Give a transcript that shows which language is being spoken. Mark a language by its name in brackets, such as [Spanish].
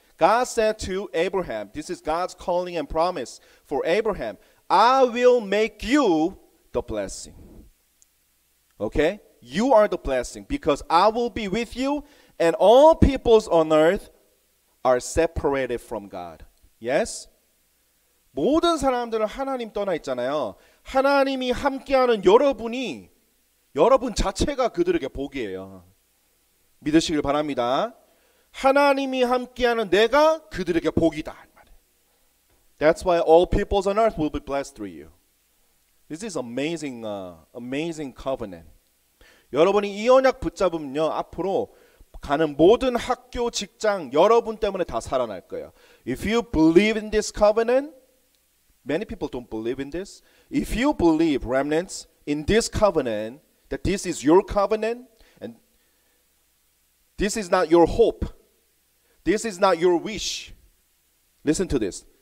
[English] God said to Abraham, this is God's calling and promise for Abraham, I will make you the blessing. Okay? You are the blessing because I will be with you and all peoples on earth are separated from God. Yes? [Korean] 모든 사람들은 하나님 떠나 있잖아요. 하나님이 함께하는 여러분이 여러분 자체가 그들에게 복이에요. 믿으시길 바랍니다. 하나님이 함께하는 내가 그들에게 복이다. [English] That's why all peoples on earth will be blessed through you. This is amazing, amazing covenant. [Korean] 여러분이 이 언약 붙잡으면요, 앞으로 가는 모든 학교, 직장 여러분 때문에 다 살아날 거예요. [English] If you believe in this covenant, many people don't believe in this. If you believe, remnants, in this covenant, that this is your covenant, and this is not your hope, this is not your wish. Listen to this.